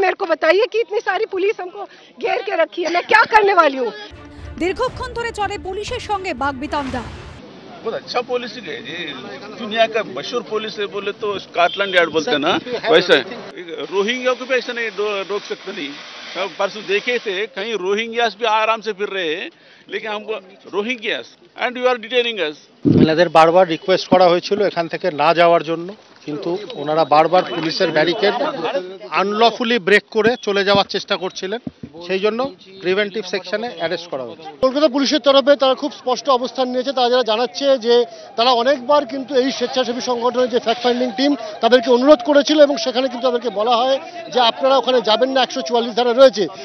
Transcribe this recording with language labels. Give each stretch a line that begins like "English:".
Hindi: मेरे को बताइए कि इतनी सारी पुलिस हमको घेर के रखी है, मैं क्या करने वाली हूँ?
Bangla: দীর্ঘক্ষণ ধরে চলে পুলিশের সঙ্গে বাগবিতণ্ডা।
Hindi: बहुत अच्छा पुलिस है जी, दुनिया का मशहूर पुलिस है, बोले तो स्कॉटलैंड यार्ड बोलते ना, वैसे रोहिंग्या को भी ऐसे नहीं रोक सकते। नहीं, परसों देखे थे कहीं रोहिंग्यास भी आराम से फिर रहे हैं, लेकिन हमको Rohingyas
English: And you are detaining us.
Bangla: আমাদের বারবার রিকোয়েস্ট করা হয়েছিল এখান থেকে না যাওয়ার জন্য, কিন্তু ওনারা বারবার পুলিশের ব্যারিকেড আনলফুলি ব্রেক করে চলে যাওয়ার চেষ্টা করছিলেন, সেই জন্য প্রিভেন্টিভ সেকশনে অ্যারেস্ট করা হয়েছে। কলকাতা পুলিশের তরফে তারা খুব স্পষ্ট অবস্থান নিয়েছে, তারা যারা জানাচ্ছে যে তারা অনেকবার কিন্তু এই স্বেচ্ছাসেবী সংগঠনের যে ফ্যাক্ট ফাইন্ডিং টিম তাদেরকে অনুরোধ করেছিল এবং সেখানে কিন্তু তাদেরকে বলা হয় যে আপনারা ওখানে যাবেন না, 144 ধারা রয়েছে।